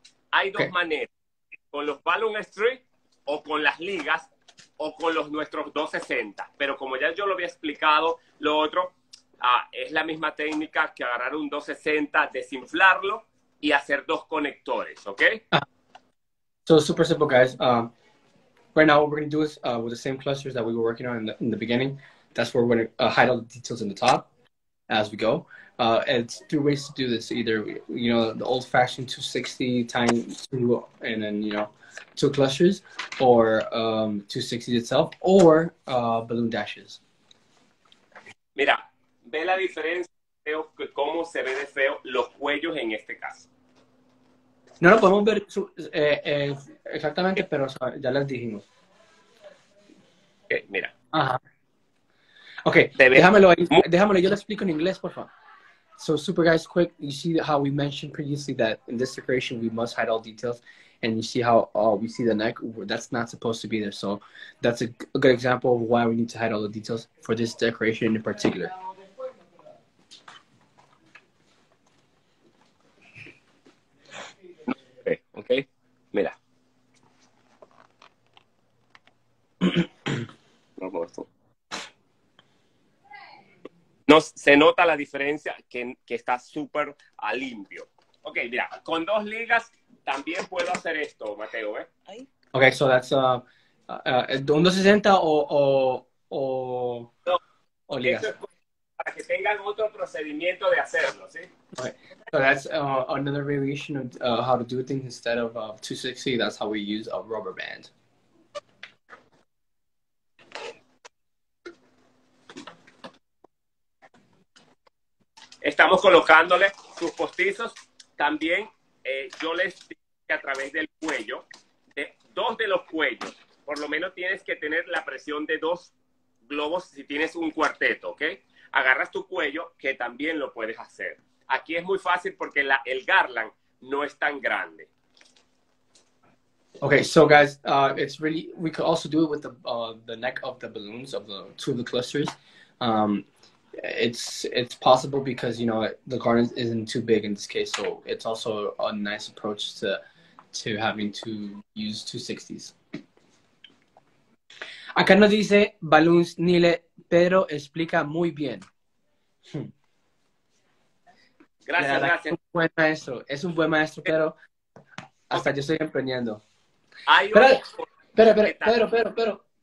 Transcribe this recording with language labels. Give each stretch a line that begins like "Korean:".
Spanish: Hay dos maneras, con los balloon strips o con las ligas o con los nuestros 260. Pero como ya yo lo había explicado, lo otro es la misma técnica que agarrar un 260, desinflarlo y hacer dos conectores, ¿ok?
English: So super simple, guys. Right now what we're going to do is with the same clusters that we were working on in the beginning. That's where we're going to hide all the details in the top as we go. It's two ways to do this. Either, you know, the old-fashioned 260 tying two and then, you know, two clusters or 260 itself or balloon dashes.
Spanish: Mira, ve la diferencia de cómo se ve de feo los cuellos en este caso. No lo podemos ver exactamente, pero o sea, ya les dijimos. Okay, mira. Ajá. Okay, déjamelo, yo lo explico en inglés, por favor.
English: So, super guys, quick, you see how we mentioned previously that in this decoration, we must hide all details, and you see how we see the neck, that's not supposed to be there. So, that's a good example of why we need to hide all the details for this decoration in particular.
Spanish: Okay, mira. No, se nota la diferencia que está súper limpio. Ok, mira, con dos ligas también puedo hacer esto, Mateo, ¿eh?
English: Ok, so that's
Spanish: un 260 o ligas. Eso es para que tengan otro procedimiento de hacerlo, ¿sí?
English: Okay. So that's another variation of how to do things instead of 260. That's how we use a rubber band.
Spanish: estamos colocándole sus postizos. También yo les digo que a través del cuello, de dos de los cuellos, por lo menos tienes que tener la presión de dos globos si tienes un cuarteto, ¿ok? Agarras tu cuello, que también lo puedes hacer. Aquí es muy fácil porque el garland no es tan grande.
English: Okay, so guys, it's really, we could also do it with the neck of the balloons, of the two of the clusters. It's possible because, you know, the garden isn't too big in this case, so it's also a nice approach to having to use 260s.
Spanish: Acá nos dice balloons, Nile, pero explica muy bien. Gracias. Un buen maestro, es un buen maestro, pero hasta yo estoy aprendiendo. Pero,